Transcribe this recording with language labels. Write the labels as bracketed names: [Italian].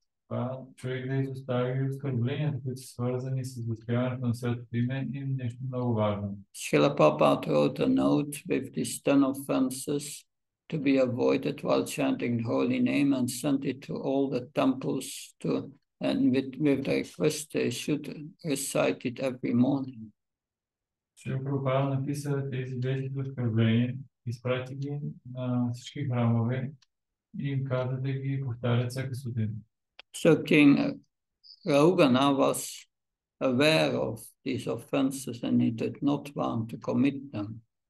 [English] Srila Prabhupada wrote a note with these 10 offenses to be avoided while chanting the holy name and sent it to all the temples to and with the request they should recite it every morning. [Bulgarian] Srila Prabhupada написа тези 10 оскърбления, изпрати ги на всички храмове и им каза да ги повтарят всеки сутрин. [English] So King Raghuna was aware of these offenses and he did not want to commit them.